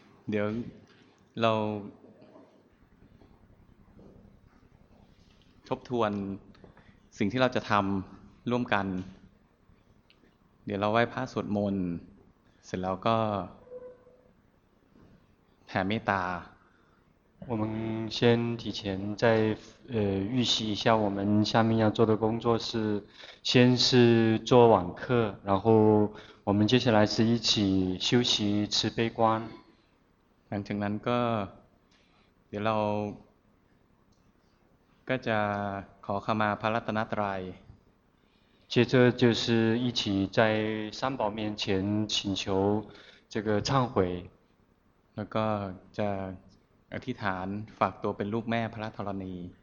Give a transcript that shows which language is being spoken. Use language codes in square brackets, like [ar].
[th] เดี๋ยวเราทบทวนสิ่งที่เราจะทำร่วมกันเดี๋ยวเราไหว้พระสวดมนต์เสร็จแล้วก็แผ่เมตตา [zh] 我们先提前再预习一下我们下面要做的工作是先是做网课然后我们接下来是一起休息吃悲观 [th] หลังจากนั้นก็เดี๋ยวเราก็จะขอขมาพระรัตนตรัย [zh] 接着就是一起在三宝面前请求这个忏悔 [th] แล้วก็จะอธิษฐานฝากตัวเป็นลูกแม่พระธรณี